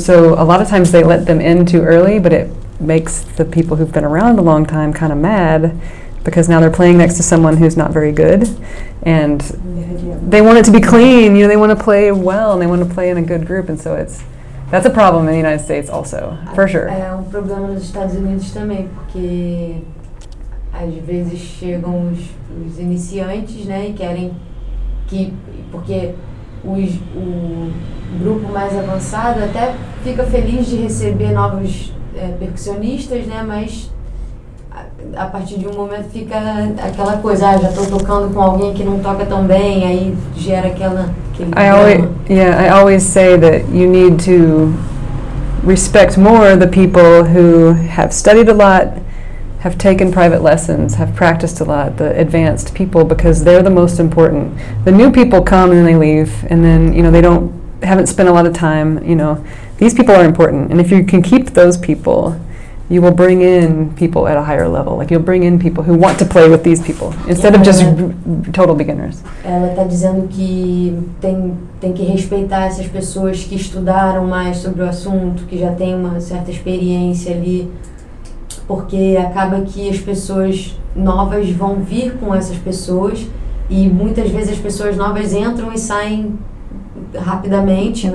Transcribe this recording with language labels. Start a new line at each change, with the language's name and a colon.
English: So a lot of times they let them in too early, but it makes the people who've been around a long time kind of mad, because now they're playing next to someone who's not very good. And they want it to be clean. You know, they want to play well, and they want to play in a good group. And so it's, that's a problem in the United States also, for sure.
Portuguese: É um problema nos Estados Unidos também, porque às vezes chegam os iniciantes, né, e querem que, porque o grupo mais avançado até fica feliz de receber novos percussionistas, né, mas a partir de um momento fica aquela coisa, ah, já estou tocando com alguém que não toca tão bem, aí gera aquela...
English: I always say that you need to respect more the people who have studied a lot, have taken private lessons, have practiced a lot, the advanced people, because they're the most important. The new people come and then they leave, and then, you know, they don't, haven't spent a lot of time, you know. These people are important, and if you can keep those people, you will bring in people at a higher level. Like, you'll bring in people who want to play with these people instead of just total beginners.
Portuguese: Ela está dizendo que tem que respeitar essas pessoas que estudaram mais sobre o assunto, que já tem uma certa experiência ali, porque acaba que as pessoas novas vão vir com essas pessoas, e muitas vezes as pessoas novas entram e saem rapidamente.